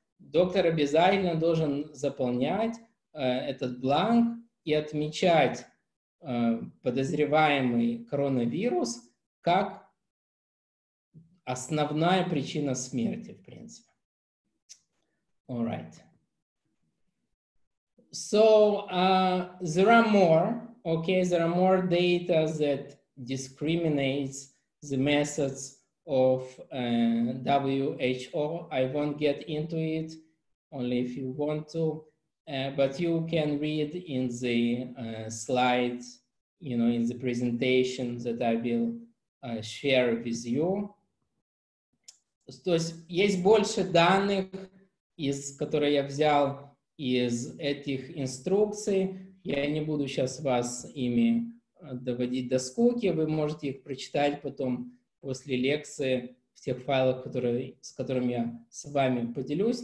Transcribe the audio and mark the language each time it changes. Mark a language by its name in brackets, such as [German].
[Russian] Доктор обязательно должен заполнять этот бланк и отмечать подозреваемый коронавирус как основная причина смерти, в принципе. [English] All right. So there are more, okay, there are more data that discriminates the methods of WHO. I won't get into it, only if you want to. But you can read in the slides, you know, in the presentation that I will share with you. [Russian] То есть есть больше данных, которые я взял из этих инструкций. Я не буду сейчас вас ими доводить до скуки. Вы можете их прочитать потом после лекции в тех файлах, с которыми я с вами поделюсь.